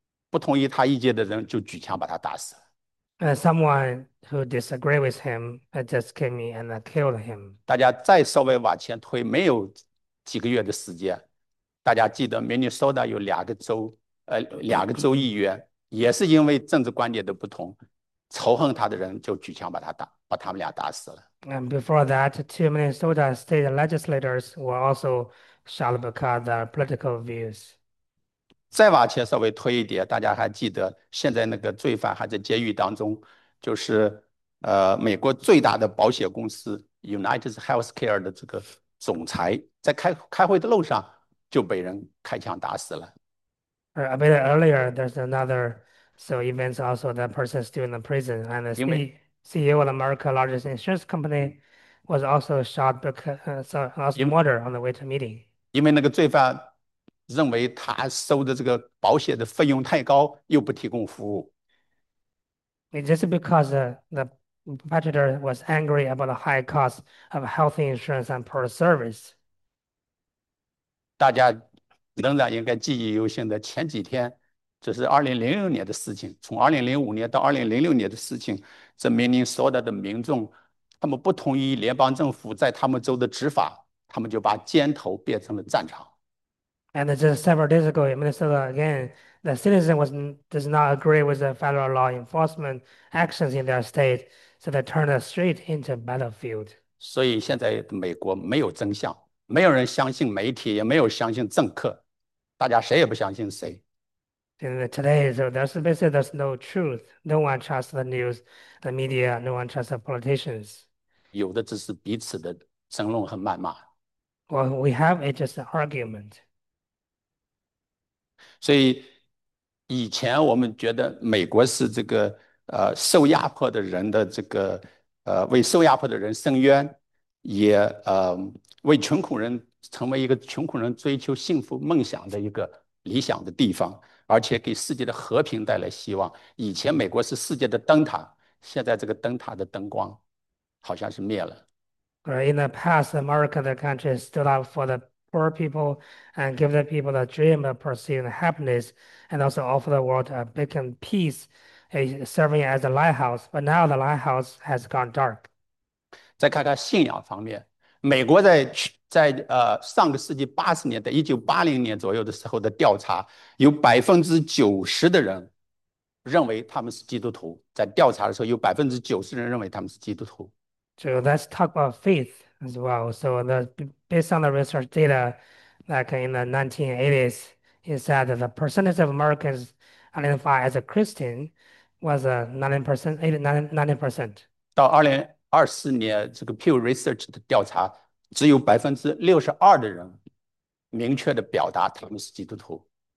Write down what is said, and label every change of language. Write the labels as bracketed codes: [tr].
[zh] 不同意他意见的人就举枪把他打死。 [en] someone who disagreed with him just came in and killed him. [zh] 大家再稍微往前推，没有几个月的时间，大家记得明尼苏达有两个州议员也是因为政治观点的不同，仇恨他的人就举枪把他们俩打死了。 [en] And before that, two Minnesota state legislators were also shot because of their political views. [zh] 再往前稍微推一点，大家还记得现在那个罪犯还在监狱当中，就是美国最大的保险公司 United Healthcare 的这个总裁，在开会的路上就被人开枪打死了。 [en] A bit earlier, there's another so events also that person still in the prison, and the [zh] 因为 [en] CEO of America's largest insurance company was also shot because also murdered on the way to meeting. [zh] 因为那个罪犯。认为他收的这个保险的费用太高，又不提供服务。 [en] It's just because the competitor was angry about the high cost of health insurance and poor service. [zh] 大家仍然应该记忆犹新的前几天，这是2006年的事情。从2005年到2006年的事情，这明尼苏达的民众，他们不同意联邦政府在他们州的执法，他们就把尖头变成了战场。 [en] And just several days ago in Minnesota, again, the citizen does not agree with the federal law enforcement actions in their state, so they turn the street into a battlefield. [zh] 所以现在美国没有真相，没有人相信媒体，也没有相信政客，大家谁也不相信谁。 [en] And today, so there's basically there's no truth. No one trusts the news, the media. No one trusts the politicians. [zh] 有的只是彼此的争论和谩骂。 [en] Well, we have it just an argument. [zh] 所以以前我们觉得美国是这个受压迫的人的这个。为受压迫的人伸冤，也为穷苦人成为一个穷苦人追求幸福梦想的一个理想的地方，而且给世界的和平带来希望。以前美国是世界的灯塔，现在这个灯塔的灯光好像是灭了。 [en] In the past, America, the country, stood up for the poor people and give the people the dream of pursuing happiness and also offer the world a beacon peace, serving as a lighthouse. But now the lighthouse has gone dark. [zh] 再看看信仰方面，美国在上个世纪80年代，1980年左右的时候的调查，有90%的人认为他们是基督徒。在调查的时候，有90%的人认为他们是基督徒。 [en] So let's talk about faith as well. So based on the research data, like in the 1980s, it said that the percentage of Americans identified as a Christian was 9%, 89%. [zh] 到2024年，这个 Pew Research 的调查，只有62%的人明确地表达他们是基督徒。